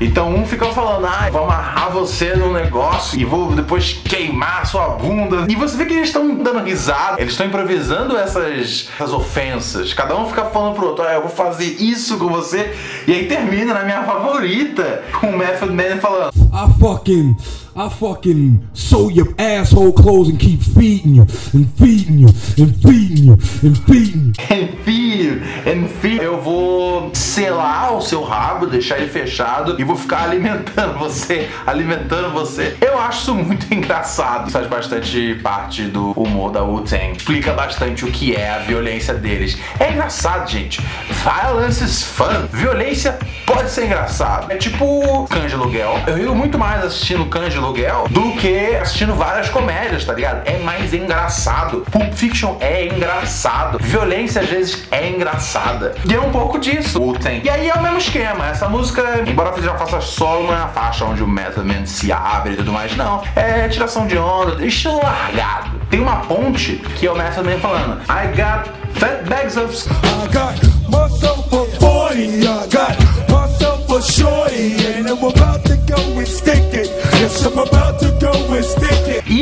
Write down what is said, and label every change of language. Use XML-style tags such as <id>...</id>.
<pt>Então um fica falando, ah, vou amarrar você num negócio e vou depois queimar sua bunda. E você vê que eles estão dando risada. Eles estão improvisando essas ofensas. Cada um fica falando pro outro, ah, eu vou fazer isso com você. E aí termina na minha favorita, com o Method Man falando,</pt> <en>I fucking sew your asshole clothes and keep feeding you and feeding you and feeding you and feeding you.</en> <pt>Eu vou selar o seu rabo, deixar ele fechado e vou ficar alimentando você. Eu acho isso muito engraçado. Faz bastante parte do humor da Wu-Tang. Explica bastante o que é a violência deles. É engraçado, gente.</pt> <en>Violence is fun.</en> <pt>Violência pode ser engraçado. É tipo Cães de Aluguel. Eu rio muito mais assistindo Cães de Aluguel do que assistindo várias comédias, tá ligado? É mais engraçado. Pulp Fiction é engraçado. Violência, às vezes, é engraçada. E é um pouco disso, Wu-Tang. E aí é o mesmo esquema. Essa música, embora já faça solo, não é a faixa onde o Method Man se abre e tudo mais. Não. É tiração de onda, estilo largado. Tem uma ponte que é o Method Man falando,</pt> <en>I got fat bags of... I got muscle for 40, I got muscle for shorty, and I'm about to go and stick it. Yes, I'm about to go and stick it.</en>